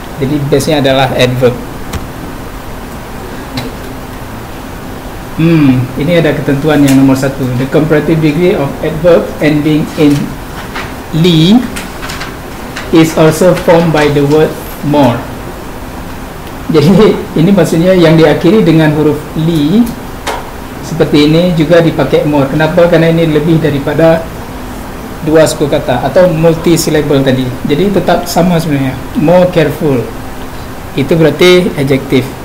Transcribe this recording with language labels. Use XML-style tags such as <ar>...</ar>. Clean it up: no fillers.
<id>Jadi bestnya adalah adverb. Ini ada ketentuan yang nomor satu.</id> <en>The comparative degree of adverb ending in -ly is also formed by the word more.</en> <id>Jadi ini maksudnya yang diakhiri dengan huruf -ly seperti ini juga dipakai more. Kenapa? Karena ini lebih daripada dua suku kata atau multi syllable tadi. Jadi tetap sama sebenarnya. More careful itu berarti adjective.</id>